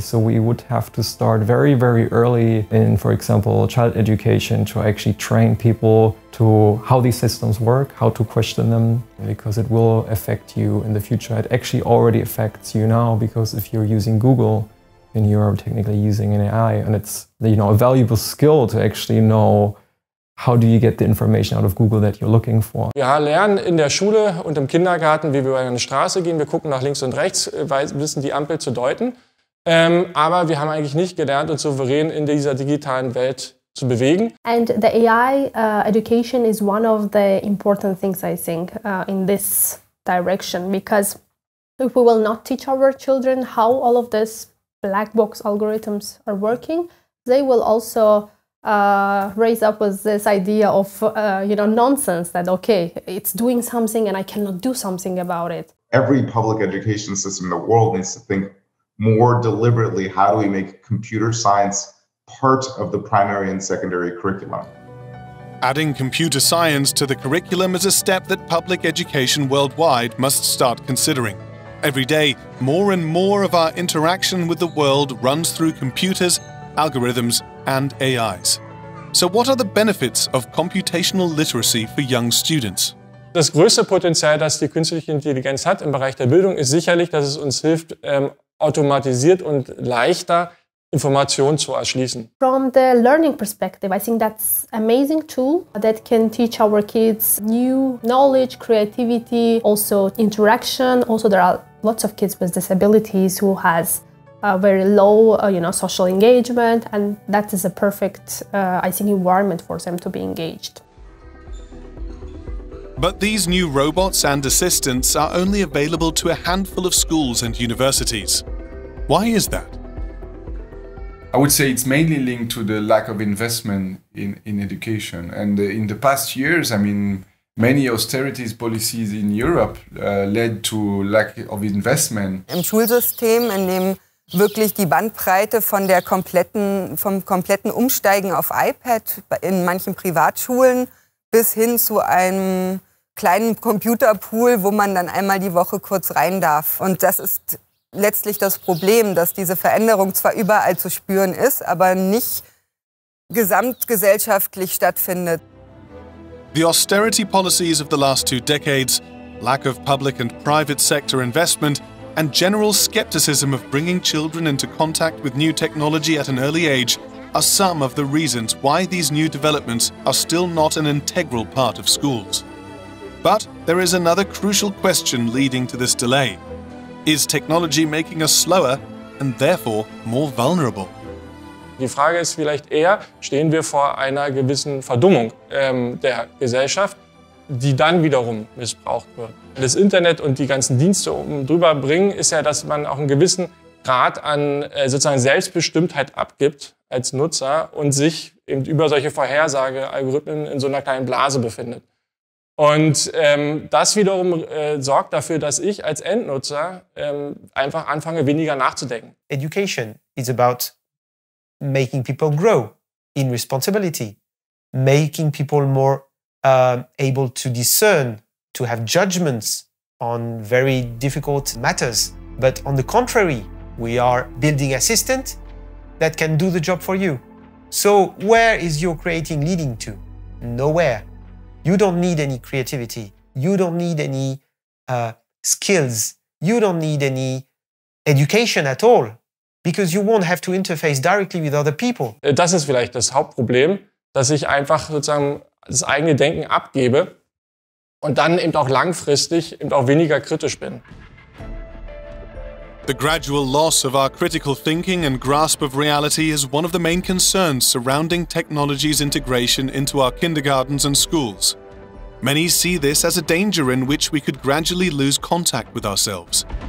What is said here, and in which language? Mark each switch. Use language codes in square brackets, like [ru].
[en] So we would have to start very, very early in, for example, child education to actually train people to how these systems work, how to question them, because it will affect you in the future. It actually already affects you now, because if you're using Google, then you are technically using an AI, and it's, you know, a valuable skill to actually know how do you get the information out of Google that you're looking for. [de] Ja, lernen in der Schule und im Kindergarten, wie wir über eine Straße gehen. Wir gucken nach links und rechts, wissen die Ampel zu deuten. Aber wir haben eigentlich nicht gelernt, uns souverän in dieser digitalen Welt zu bewegen. [en] And the AI education is one of the important things, I think, in this direction. Because if we will not teach our children how all of this black box algorithms are working, they will also raise up with this idea of, you know, nonsense that, okay, it's doing something and I cannot do something about it. Every public education system in the world needs to think more deliberately, how do we make computer science part of the primary and secondary curriculum? Adding computer science to the curriculum is a step that public education worldwide must start considering. Every day, more and more of our interaction with the world runs through computers, algorithms, and AIs. So what are the benefits of computational literacy for young students? [de] Das größte Potenzial, das die künstliche Intelligenz hat im Bereich der Bildung, ist sicherlich, dass es uns hilft, automatisiert und leichter Informationen zu erschließen. [en] From the learning perspective, I think that's an amazing tool that can teach our kids new knowledge, creativity, also interaction. Also there are lots of kids with disabilities who has very low, you know, social engagement, and that is a perfect, I think, environment for them to be engaged. But these new robots and assistants are only available to a handful of schools and universities. Why is that? I would say it's mainly linked to the lack of investment in education. And in the past years, I mean, many austerity policies in Europe led to lack of investment. [de] Im Schulsystem, in dem wirklich die Bandbreite von der kompletten, vom kompletten Umsteigen auf iPad in manchen Privatschulen bis hin zu einem kleinen Computerpool, wo man dann einmal die Woche kurz rein darf. Und das ist letztlich das Problem, dass diese Veränderung zwar überall zu spüren ist, aber nicht gesamtgesellschaftlich stattfindet. [en] The austerity policies of the last two decades, lack of public and private sector investment, and general skepticism of bringing children into contact with new technology at an early age are some of the reasons why these new developments are still not an integral part of schools. But there is another crucial question leading to this delay. Is technology making us slower and therefore more vulnerable? [de] Die Frage ist vielleicht eher, stehen wir vor einer gewissen Verdummung der Gesellschaft, die dann wiederum missbraucht wird. Das Internet und die ganzen Dienste drüber bringen, ist ja, dass man auch einen gewissen Grad an sozusagen Selbstbestimmtheit abgibt als Nutzer und sich eben über solche Vorhersagealgorithmen in so einer kleinen Blase befindet. Und das wiederum sorgt dafür, dass ich als Endnutzer einfach anfange, weniger nachzudenken. [en] Education is about making people grow in responsibility, making people more able to discern, to have judgments on very difficult matters. But on the contrary, we are building assistants that can do the job for you. So where is your creating leading to? Nowhere. You don't need any creativity. You don't need any skills. You don't need any education at all. Because you won't have to interface directly with other people. [de] Das ist vielleicht das Hauptproblem, dass ich einfach sozusagen das eigene Denken abgebe und dann eben auch langfristig eben auch weniger kritisch bin. [en] The gradual loss of our critical thinking and grasp of reality is one of the main concerns surrounding technology's integration into our kindergartens and schools. Many see this as a danger in which we could gradually lose contact with ourselves.